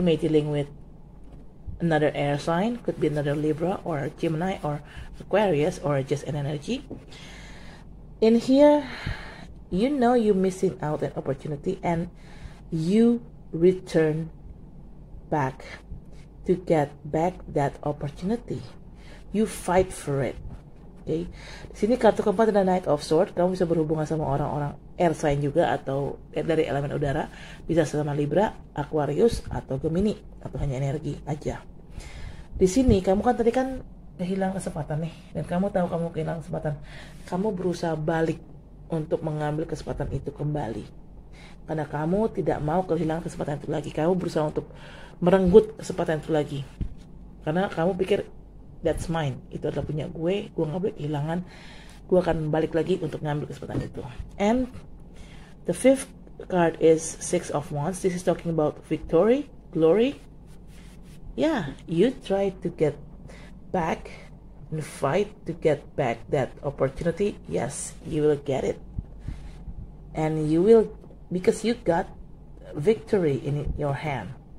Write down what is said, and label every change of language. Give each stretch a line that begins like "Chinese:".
English: You may dealing with another air sign, could be another Libra or Gemini or Aquarius or just an energy. In here, you know you missing out an opportunity and you return back to get back that opportunity. You fight for it.
Indonesian: Okay. Di sini kartu keempat ada Knight of Swords. Kamu bisa berhubungan sama orang-orang air sign juga atau dari elemen udara. Bisa sama Libra, Aquarius, atau Gemini. Atau hanya energi aja. Di sini kamu kan tadi kan kehilangan kesempatan nih. Dan kamu tahu kamu kehilangan kesempatan. Kamu berusaha balik untuk mengambil kesempatan itu kembali. Karena kamu tidak mau kehilangan kesempatan itu lagi. Kamu berusaha untuk merenggut kesempatan itu lagi. Karena kamu pikir,
English: that's mine.
Indonesian: Itu adalah punya gue. Gue gak boleh kehilangan. Gue akan balik lagi untuk ngambil kesempatan itu.
English: And the fifth card is Six of Wands. This is talking about victory, glory. Yeah, you try to get back and fight to get back that opportunity. Yes, you will get it. And you will, because you got victory in your hand.